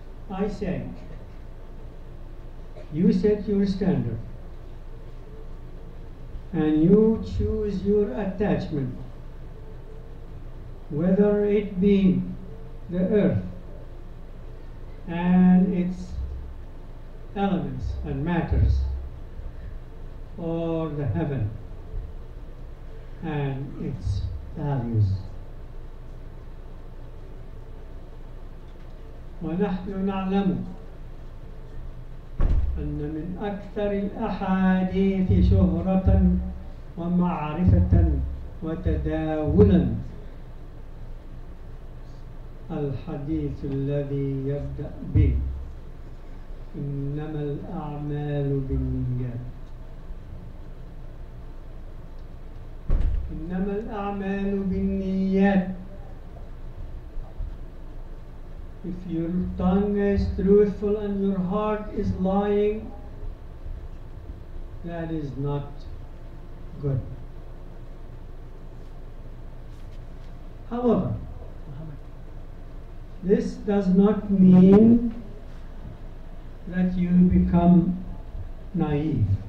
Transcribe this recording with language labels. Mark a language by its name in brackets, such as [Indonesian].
[English] I said, you set your standard and you choose your attachment, whether it be the earth and its elements and matters, or the heaven and its values. [Arabic] ونحن نعلم أن من أكثر الأحاديث شهرة ومعرفة وتداولا الحديث الذي يبدأ به إنما الأعمال بالنيات إنما الأعمال بالنيات. [English] If your tongue is truthful and your heart is lying, that is not good. However, this does not mean that you become naive.